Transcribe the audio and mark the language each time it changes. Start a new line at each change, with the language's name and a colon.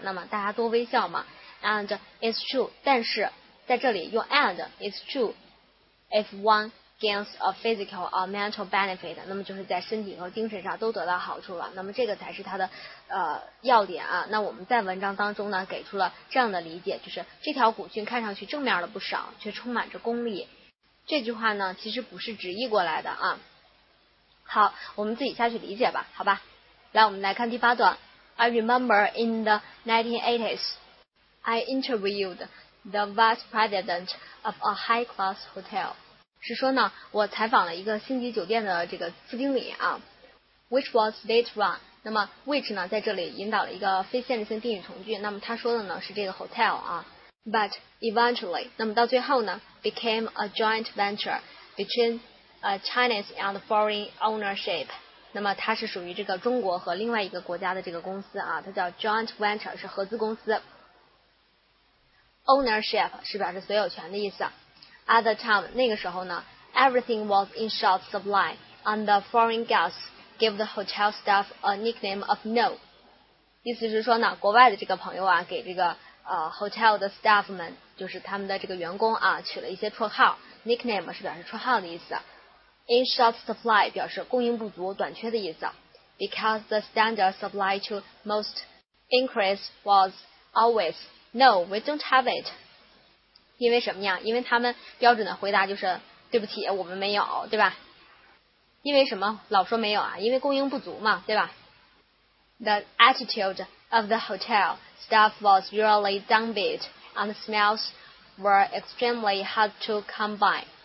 Chinese: 那么大家多微笑嘛。
English: And it's true，
Chinese: 但是在这里用
English: and， it's true if one gains a physical or mental benefit，
Chinese: 那么就是在身体和精神上都得到好处了，那么这个才是它的要点啊。那我们在文章当中呢给出了这样的理解，就是这条古训看上去正面了不少，却充满着功利。这句话呢其实不是直译过来的啊。好，我们自己下去理解吧，好吧。来，我们来看第八段。
English: I remember in the 1980s I interviewed the vice president of a high class hotel。
Chinese: 是说呢，我采访了一个星级酒店的这个副经理啊。
English: Which was state run，
Chinese: 那么 which 呢在这里引导了一个非限制性定语从句，那么他说的呢是这个 hotel 啊。
English: But eventually，
Chinese: 那么到最后呢，
English: became a joint venture between a Chinese and foreign ownership，
Chinese: 那么它是属于这个中国和另外一个国家的这个公司啊，它叫 joint venture， 是合资公司。 ownership 是表示所有权的意思。
English: At the time,
Chinese: 那个时候呢
English: everything was in short supply, and the foreign guests gave the hotel staff a nickname of No.
Chinese: 意思是说呢，国外的这个朋友啊，给这个hotel 的 staff 们，就是他们的这个员工啊，取了一些绰号 ，nickname 是表示绰号的意思。
English: In short supply
Chinese: 表示供应不足、短缺的意思。
English: Because the standard supply to most inquiries was always No, we don't have it.
Chinese: 因为什么呀？因为他们标准的回答就是对不起，我们没有，对吧？因为什么？老说没有啊？因为供应不足嘛，对吧？
English: The attitude of the hotel staff was really downbeat and smells were extremely hard to come by.